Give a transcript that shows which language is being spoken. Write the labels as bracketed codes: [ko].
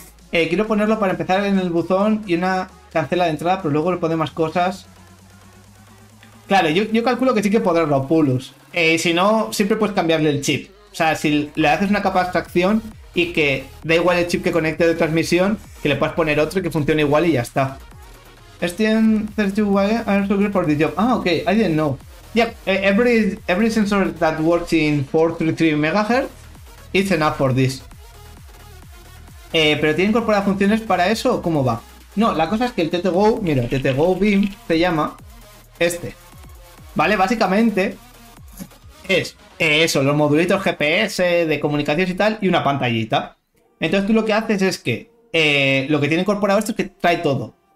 [es] Quiero ponerlo para empezar en el buzón y una cancela de entrada, pero luego le pone más cosas. Claro, yo calculo que sí que podrás lo pulos. Si no, siempre puedes cambiarle el chip. O sea, si le haces una capa de abstracción y que da igual el chip que conecte de transmisión, que le puedas poner otro y que funcione igual y ya está. [en] Ah, ok, I didn't know. Yeah, every sensor that works in 433 MHz is enough for this. [es] ¿Pero tiene incorporadas funciones para eso o cómo va? No, la cosa es que el TTGO, mira, TTGO Beam se llama este. ¿Vale? Básicamente es eso, los modulitos GPS de comunicaciones y tal, y una pantallita. Entonces tú lo que haces es que lo que tiene incorporado esto es que trae todo.